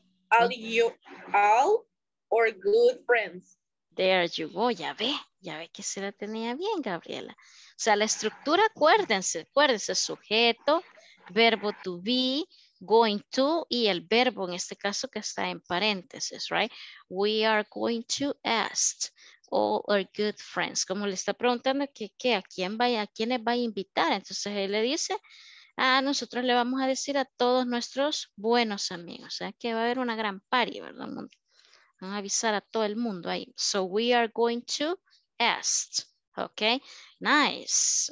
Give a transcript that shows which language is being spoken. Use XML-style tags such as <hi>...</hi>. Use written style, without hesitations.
<en>All our good friends. There you go.</en> <es>Ya ve que se la tenía bien, Gabriela. O sea, la estructura, acuérdense, sujeto, verbo to be, going to, y el verbo en este caso que está en paréntesis, right?</es> <en>We are going to ask all our good friends.</en> <es>Como le está preguntando que a quiénes va a invitar. Entonces él le dice, nosotros le vamos a decir a todos nuestros buenos amigos. O sea, que va a haber una gran party, ¿verdad? Van a avisar a todo el mundo ahí.</es> <en>So we are going to ask. Ok, nice.</en>